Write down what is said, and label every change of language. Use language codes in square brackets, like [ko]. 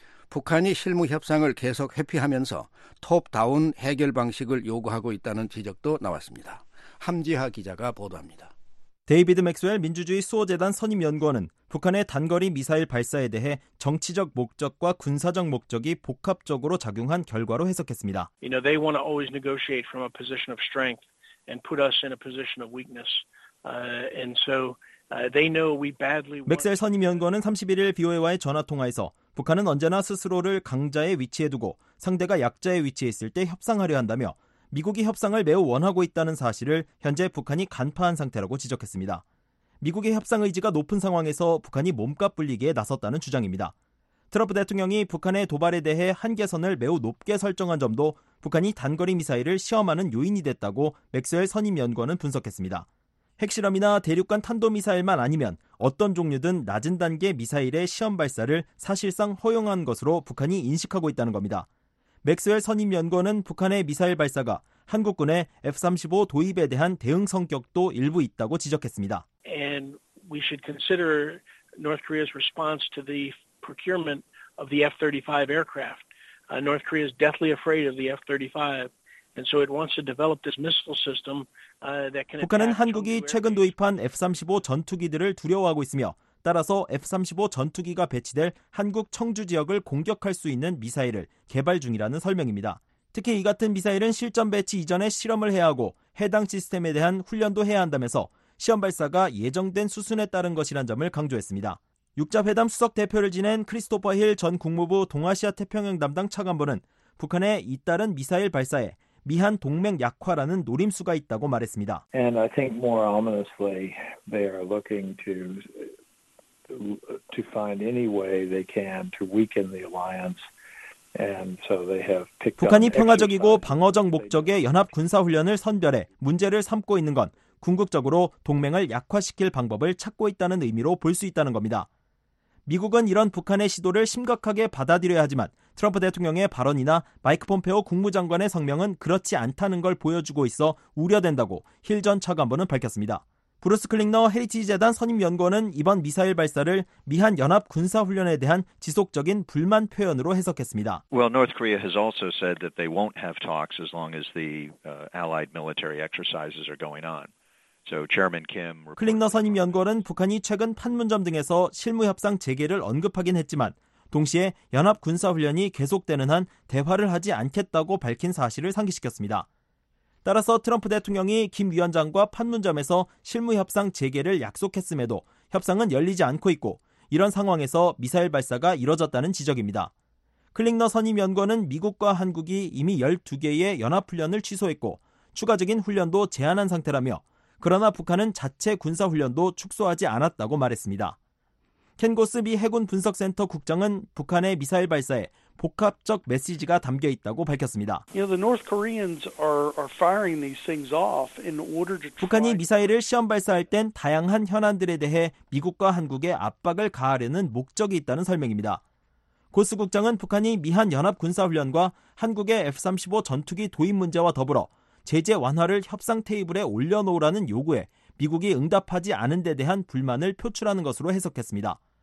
[ko] 북한이 실무 협상을 계속 회피하면서 톱다운 해결 방식을 요구하고 있다는 지적도 나왔습니다. 함지하 기자가 보도합니다. 데이비드 맥스웰 민주주의 수호재단 선임연구원은 북한의 단거리 미사일 발사에 대해 정치적 목적과 군사적 목적이 복합적으로 작용한 결과로 해석했습니다. [en] You know, they want to always negotiate from a position of strength and put us in a position of weakness. And so they know we badly want... [ko] 맥스웰 선임연구원은 31일 BOA와의 전화통화에서 북한은 언제나 스스로를 강자의 위치에 두고 상대가 약자의 위치에 있을 때 협상하려 한다며 미국이 협상을 매우 원하고 있다는 사실을 현재 북한이 간파한 상태라고 지적했습니다. 미국의 협상 의지가 높은 상황에서 북한이 몸값 불리기에 나섰다는 주장입니다. 트럼프 대통령이 북한의 도발에 대해 한계선을 매우 높게 설정한 점도 북한이 단거리 미사일을 시험하는 요인이 됐다고 맥스웰 선임연구원은 분석했습니다. 핵실험이나 대륙간 탄도미사일만 아니면 어떤 종류든 낮은 단계 미사일의 시험 발사를 사실상 허용한 것으로 북한이 인식하고 있다는 겁니다. 맥스웰 선임연구원은 북한의 미사일 발사가 한국군의 F-35 도입에 대한 대응 성격도 일부 있다고 지적했습니다. [en] And we should consider North Korea's response to the procurement of the F-35 aircraft. North Korea is deathly afraid of the F-35, and so it wants to develop this missile system that can. [ko] 북한은 한국이 최근 도입한 F-35 전투기들을 두려워하고 있으며 따라서 F-35 전투기가 배치될 한국 청주 지역을 공격할 수 있는 미사일을 개발 중이라는 설명입니다. 특히 이 같은 미사일은 실전 배치 이전에 실험을 해야 하고 해당 시스템에 대한 훈련도 해야 한다면서 시험 발사가 예정된 수순에 따른 것이란 점을 강조했습니다. 육자회담 수석 대표를 지낸 크리스토퍼 힐 전 국무부 동아시아 태평양 담당 차관보는 북한의 잇따른 미사일 발사에 미한 동맹 약화라는 노림수가 있다고 말했습니다. [en] And I think more ominously they are looking to find any way they can to weaken the alliance. And so they have picked up. [ko] 북한이 평화적이고 방어적 목적의 연합 군사 훈련을 선별해 문제를 삼고 있는 건 궁극적으로 동맹을 약화시킬 방법을 찾고 있다는 의미로 볼 수 있다는 겁니다. 미국은 이런 북한의 시도를 심각하게 받아들여야 하지만 트럼프 대통령의 발언이나 마이크 폼페오 국무장관의 성명은 그렇지 않다는 걸 보여주고 있어 우려된다고 힐 전 차관보는 밝혔습니다. 브루스 클링너 헤리티지 재단 선임연구원은 이번 미사일 발사를 미한 연합 군사 훈련에 대한 지속적인 불만 표현으로 해석했습니다. [en] Well, North Korea has also said that they won't have talks as long as the allied military exercises are going on. So Chairman Kim. [ko] 클링너 선임연구원은 북한이 최근 판문점 등에서 실무 협상 재개를 언급하긴 했지만 동시에 연합 군사 훈련이 계속되는 한 대화를 하지 않겠다고 밝힌 사실을 상기시켰습니다. 따라서 트럼프 대통령이 김 위원장과 판문점에서 실무협상 재개를 약속했음에도 협상은 열리지 않고 있고 이런 상황에서 미사일 발사가 이뤄졌다는 지적입니다. 클링너 선임연구원은 미국과 한국이 이미 12개의 연합훈련을 취소했고 추가적인 훈련도 제한한 상태라며 그러나 북한은 자체 군사훈련도 축소하지 않았다고 말했습니다. 켄 고스 미 해군 분석센터 국장은 북한의 미사일 발사에 복합적 메시지가 담겨 있다고 밝혔습니다. [en] You know, the North Koreans are firing these things off in order to try... [ko] 북한이 미사일을 시험 발사할 땐 다양한 현안들에 대해 미국과 한국에 압박을 가하려는 목적이 있다는 설명입니다. 고스 국장은 북한이 미한 연합 군사 훈련과 한국의 F-35 전투기 도입 문제와 더불어 제재 완화를 협상 테이블에 올려놓으라는 요구에 미국이 응답하지 않은 데 대한 불만을 표출하는 것으로 해석했습니다.